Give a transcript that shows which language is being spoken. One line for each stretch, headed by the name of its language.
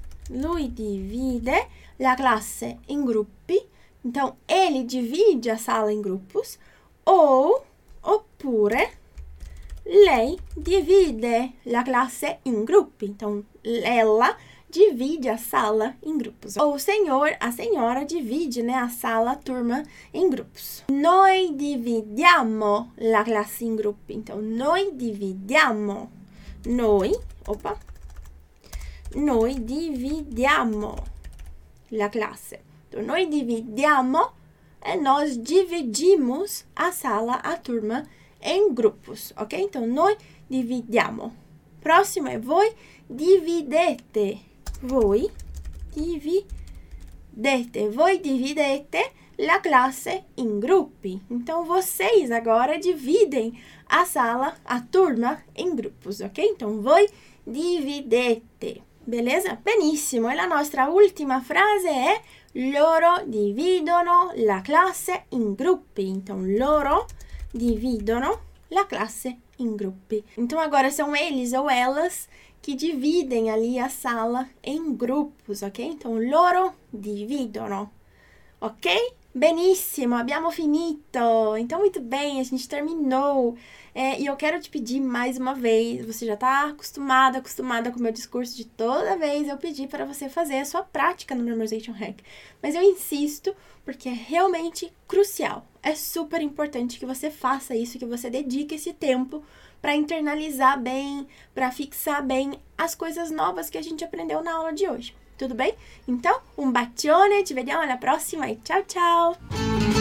Italian: Lui divide la classe in gruppi.
Portuguese: Então, ele divide a sala em grupos.
Italian: Ou, oppure, lei divide la classe in gruppi.
Portuguese: Então, ela divide a sala em grupos. Ou o senhor, a senhora divide, né, a sala, a turma, em grupos.
Italian: Noi dividiamo la classe in gruppi. Então, noi dividiamo. Noi, opa. Noi dividiamo la classe.
Portuguese: Então,
Italian: noi dividiamo
Portuguese: é nós dividimos a sala, a turma, em grupos, ok?
Italian: Então, noi dividiamo.
Portuguese: Próximo é
Italian: voi dividete. Voi dividete. Voi dividete la classe in gruppi.
Portuguese: Então, vocês agora dividem a sala, a turma, em grupos, ok?
Italian: Então, voi dividete. Beleza? Benissimo.
Portuguese: E a nostra última frase é
Italian: loro dividono la classe in gruppi. Então, loro dividono la classe in gruppi.
Portuguese: Então, agora são eles ou elas que dividem ali a sala em grupos, ok?
Italian: Então, loro dividono. Ok? Benissimo, abbiamo finito!
Portuguese: Então, muito bem, a gente terminou. E eu quero te pedir mais uma vez, você já está acostumada com o meu discurso de toda vez, eu pedi para você fazer a sua prática no Memorization Hack. Mas eu insisto, porque é realmente crucial. É super importante que você faça isso, que você dedique esse tempo para internalizar bem, para fixar bem as coisas novas que a gente aprendeu na aula de hoje. Tudo bem? Então,
Italian: um bacione, te vediamo alla prossima
Portuguese: e tchau, tchau!